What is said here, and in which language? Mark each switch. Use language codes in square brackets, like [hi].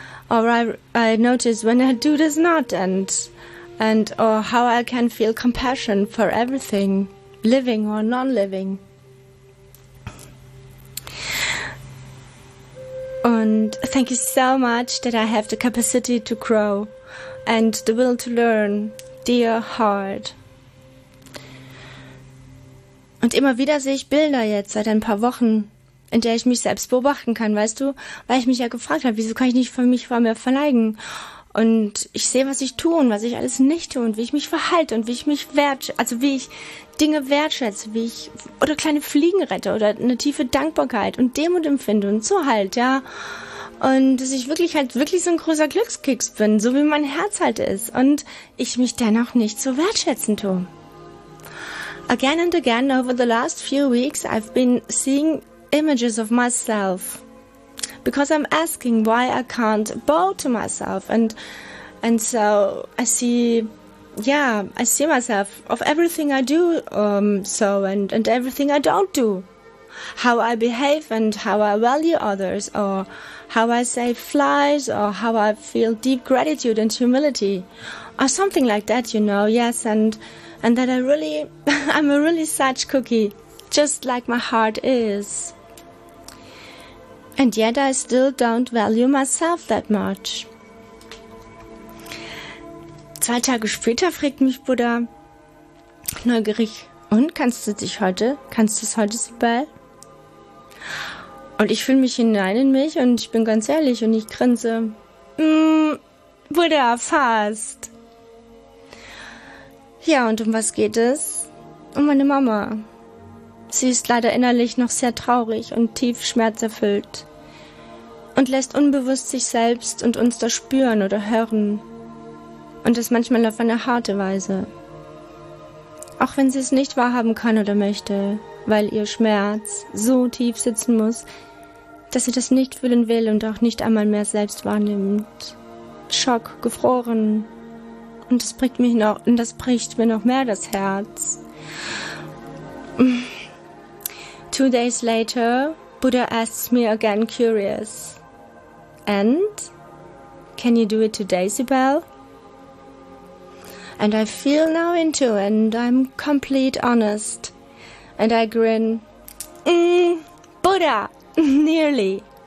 [en] Or I notice when a dude is not, and or how I can feel compassion for everything, living or non-living. And thank you so much that I have the capacity to grow and the will to learn, dear heart. [de] Und immer wieder sehe ich Bilder jetzt seit ein paar Wochen, in der ich mich selbst beobachten kann, weißt du? Weil ich mich ja gefragt habe, wieso kann ich nicht von mich vor mir verneigen? Und ich sehe, was ich tue und was ich alles nicht tue und wie ich mich verhalte und wie ich mich wertschätze, also wie ich Dinge wertschätze, wie ich, oder kleine Fliegen rette oder eine tiefe Dankbarkeit und Demut empfinde und so halt, ja. Und dass ich wirklich halt wirklich so ein großer Glückskeks bin, so wie mein Herz halt ist und ich mich dennoch nicht so wertschätzen tue. [en] Again and again over the last few weeks I've been seeing images of myself, because I'm asking why I can't bow to myself, and so I see myself of everything I do, so and everything I don't do, how I behave and how I value others, or how I save flies, or how I feel deep gratitude and humility, or something like that, you know. Yes, and that I really I'm a really such cookie, just like my heart is. And yet I still don't value myself that much. [de] 2 Tage später fragt mich Buddha neugierig, und kannst du es heute so bald? Und ich fühle mich hinein in mich und ich bin ganz ehrlich und ich grinse. Buddha, fast. Ja, und um was geht es? Um meine Mama. Sie ist leider innerlich noch sehr traurig und tief schmerzerfüllt. Und lässt unbewusst sich selbst und uns das spüren oder hören. Und das manchmal auf eine harte Weise. Auch wenn sie es nicht wahrhaben kann oder möchte, weil ihr Schmerz so tief sitzen muss, dass sie das nicht fühlen will und auch nicht einmal mehr selbst wahrnimmt. Schock, gefroren. Und das bricht mich noch, und das bricht mir noch mehr das Herz. [en] 2 days later, Buddha asks me again curious. And can you do it today, Sibel? And I feel now into, and I'm complete honest. And I grin. Buddha, nearly.